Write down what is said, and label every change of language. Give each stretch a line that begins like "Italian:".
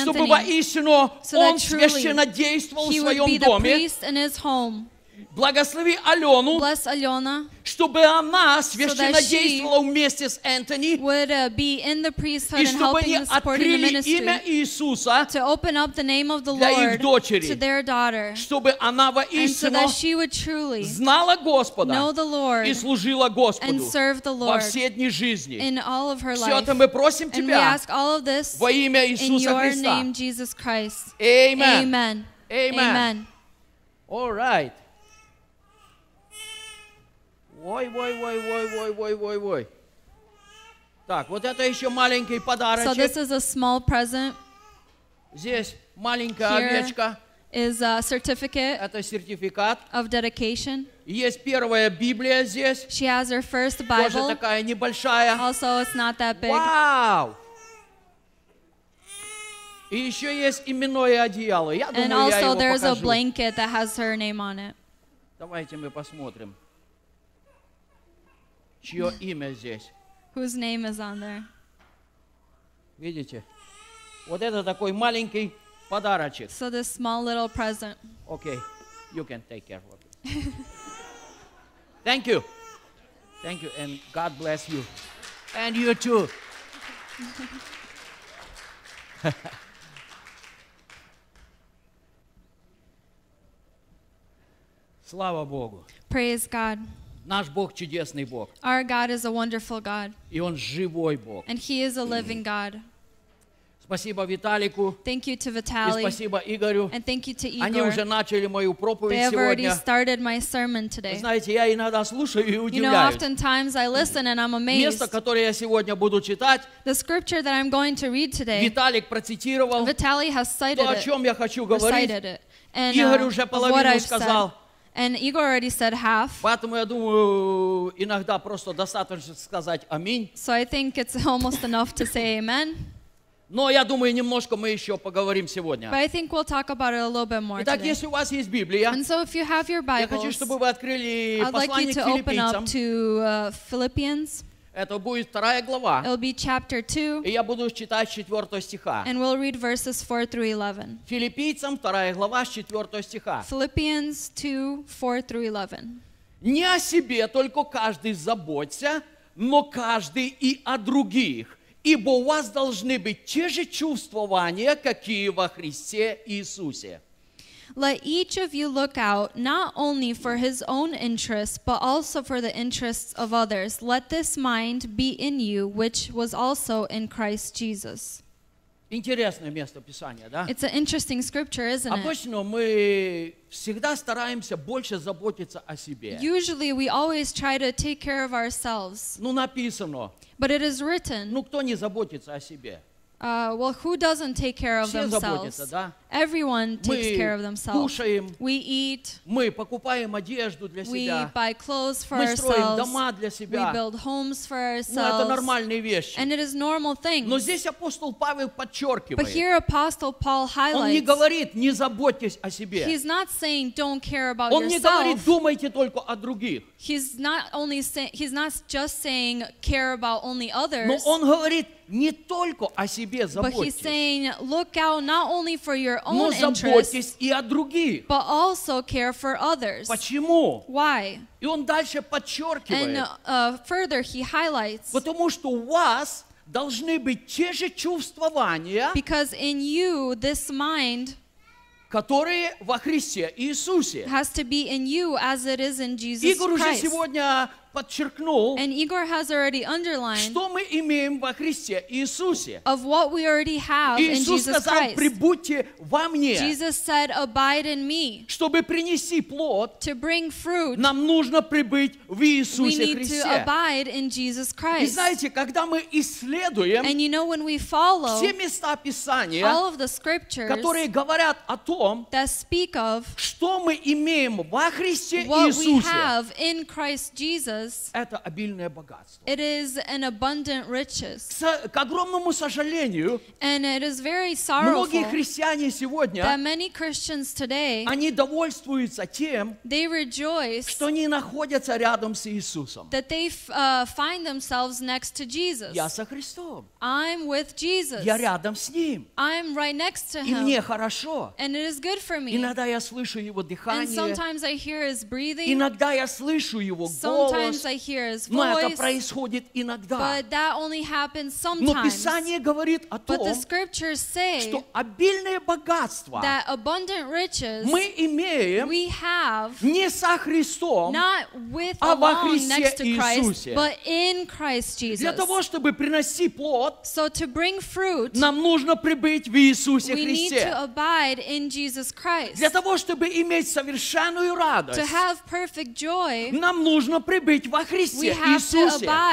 Russian: Чтобы воистину он священнодействовал.
English: He would be the priest in his home.
Russian: Благослови Алену,
English: bless Alena,
Russian: чтобы она священнодействовала вместе с Энтони,
English: would be in the priesthood and helping and supporting the ministry.
Russian: Имя Иисуса
English: to open up the name of the Lord
Russian: дочери,
English: to their daughter,
Russian: чтобы она воистину
English: so truly
Russian: знала Господа,
English: know the Lord
Russian: и служила Господу
English: and serve the Lord
Russian: во все дни жизни.
English: In all of her life.
Russian: Все это мы просим Тебя
English: and we ask all of this
Russian: во имя Иисуса
English: in your
Russian: Христа.
English: Name, Jesus Christ. Amen. Amen. Amen. Amen. All right.
Russian: Ой, ой, ой, ой, ой, ой, ой, ой. Так, вот это еще маленький подарочек.
English: So this is a small present.
Russian: Здесь маленькая
English: Here
Russian: овечка.
English: Is a certificate.
Russian: Это сертификат.
English: Of dedication.
Russian: Есть первая Библия здесь.
English: She has her first Bible.
Russian: Тоже такая небольшая.
English: Also, it's not that big. Wow.
Russian: И еще есть именное одеяло. Я
English: and
Russian: думаю,
English: also,
Russian: я его
English: there's
Russian: покажу.
English: A blanket that has her name on it.
Russian: Давайте мы посмотрим, чье имя здесь.
English: Whose name is on there?
Russian: Видите? Вот это такой маленький подарочек.
English: So this small little present. Okay, you can take care of it. Thank you. Thank you, and God bless you. And you too.
Russian: Слава Богу.
English: Praise God.
Russian: Наш Бог чудесный Бог.
English: Our God is a wonderful God.
Russian: И Он живой Бог.
English: And He is a living God.
Russian: Спасибо Виталику.
English: Thank you to Vitaly.
Russian: И спасибо Игорю.
English: And thank you to Igor.
Russian: Они уже начали мою проповедь сегодня.
English: They've already started my sermon today.
Russian: Знаете, я иногда слушаю и удивляюсь.
English: You know, oftentimes I listen and I'm amazed.
Russian: Место, которое я сегодня буду читать.
English: The scripture that I'm going to read today.
Russian: Виталик процитировал.
English: Vitaly has cited it.
Russian: То, о чем я хочу говорить. Игорь уже половину сказал.
English: And Igor already said half.
Russian: Поэтому я думаю, иногда просто достаточно сказать аминь.
English: So I think it's almost enough to say amen.
Russian: Но я думаю, немножко мы еще поговорим сегодня.
English: But I think we'll talk about it a little bit more.
Russian: Итак,
English: today.
Russian: Если у вас есть Библия,
English: and so if you have your Bibles,
Russian: я хочу, чтобы вы открыли
English: I'd
Russian: послание
English: like you to
Russian: к
English: open up to Philippians.
Russian: Это будет вторая глава.
English: It'll be chapter 2.
Russian: И я буду читать 4 стиха.
English: And we'll read verses 4 through 11.
Russian: Филиппийцам, вторая глава, 4 стиха.
English: Philippians 2, 4 through 11.
Russian: Не о себе только каждый заботься, но каждый и о других. Ибо у вас должны быть те же чувствования, какие во Христе Иисусе.
English: Let each of you look out not only for his own interests, but also for the interests of others. Let this mind be in you, which was also in Christ Jesus.
Russian: Интересное место Писания, да?
English: It's an interesting scripture, isn't it?
Russian: Обычно мы всегда стараемся больше заботиться о себе.
English: Usually we always try to take care of ourselves.
Russian: Ну, написано.
English: But it is written.
Russian: Ну, кто не заботится о себе?
English: Well, who doesn't take care of
Russian: Все
English: themselves?
Russian: Заботятся, да?
English: Everyone takes
Russian: мы
English: care of themselves.
Russian: Кушаем,
English: we eat.
Russian: Мы покупаем одежду для
English: we
Russian: себя.
English: We buy clothes for
Russian: мы
English: ourselves.
Russian: Мы строим дома для себя.
English: We build homes for ourselves.
Russian: Ну, это нормальные вещи.
English: And it is normal things.
Russian: Но здесь апостол Павел подчеркивает.
English: But here Apostle Paul highlights.
Russian: Он не говорит, не заботьтесь о себе.
English: He's not saying, don't care about
Russian: он Он не говорит, думайте только о других.
English: He's not just saying, care about only others.
Russian: Но он говорит, не только о себе заботьтесь.
English: But he's saying, look out not only for your own
Russian: Но заботьтесь
English: interests,
Russian: и о других.
English: But also care for others.
Russian: Почему?
English: Why?
Russian: И он дальше подчеркивает.
English: And further he highlights.
Russian: Потому что у вас должны быть те же чувствования.
English: Because in you this mind.
Russian: Которые во Христе Иисусе.
English: Has to be in you as it is in Jesus Christ.
Russian: Игорь уже сегодня подчеркнул.
English: And Igor has already underlined.
Russian: Что мы имеем во Христе Иисусе.
English: Of what we already have in Jesus Christ.
Russian: Иисус сказал, прибудьте во мне.
English: Jesus said, abide in me.
Russian: Чтобы принести плод.
English: To bring fruit.
Russian: Нам нужно прибыть в Иисусе Христе.
English: We need to abide in Jesus Christ.
Russian: И знаете, когда мы исследуем.
English: And you know, when we follow.
Russian: Все места Писания.
English: All of the scriptures.
Russian: Которые говорят о том.
English: That speak of.
Russian: Что мы имеем во Христе
English: what
Russian: Иисусе.
English: What we have in Christ Jesus.
Russian: Это обильное богатство.
English: It is an abundant riches.
Russian: К огромному сожалению,
English: and it is very sorrowful,
Russian: многие христиане сегодня,
English: that many Christians today,
Russian: они довольствуются тем,
English: they rejoice,
Russian: что не находятся рядом с Иисусом.
English: That they find themselves next to Jesus.
Russian: Я со Христом.
English: I'm with Jesus.
Russian: Я рядом с Ним.
English: I'm right next to Him.
Russian: И мне хорошо.
English: And it is good for me.
Russian: Иногда я слышу Его дыхание.
English: And sometimes I hear His breathing.
Russian: Иногда я слышу Его голос.
English: Sometimes I hear his voice,
Russian: но это происходит иногда.
English: But that only happens sometimes.
Russian: Но Писание говорит о том,
English: but the scriptures say,
Russian: что обильное богатство
English: that abundant riches
Russian: мы имеем
English: we have,
Russian: не со Христом,
English: not with
Russian: а во Христе
English: next to Christ,
Russian: Иисусе.
English: But in Christ Jesus.
Russian: Для того, чтобы приносить плод,
English: so to bring fruit,
Russian: нам нужно прибыть в Иисусе
English: we
Russian: Христе.
English: Need to abide in Jesus Christ.
Russian: Для того, чтобы иметь совершенную радость,
English: to have perfect joy,
Russian: нам нужно прибыть во Христе Иисусе.